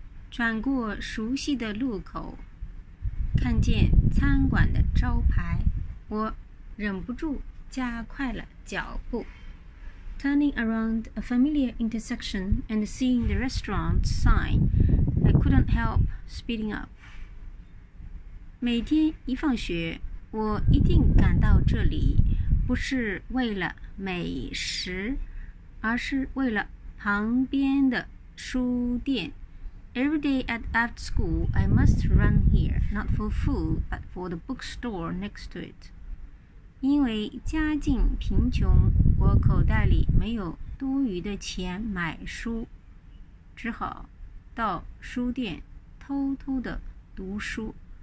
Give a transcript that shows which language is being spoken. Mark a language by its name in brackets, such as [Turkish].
[Chinese] 转过熟悉的路口，看见餐馆的招牌，我忍不住加快了脚步。 [English] Turning around a familiar intersection and seeing the restaurant sign, I couldn't help speeding up. [Chinese] 每天一放学，我一定赶到这里，不是为了美食，而是为了旁边的书店。 [English] Every day after school, I must run here, not for food, but for the bookstore next to it. [Chinese] 因为家境贫穷，我口袋里没有多余的钱买书，只好到书店偷偷的读书。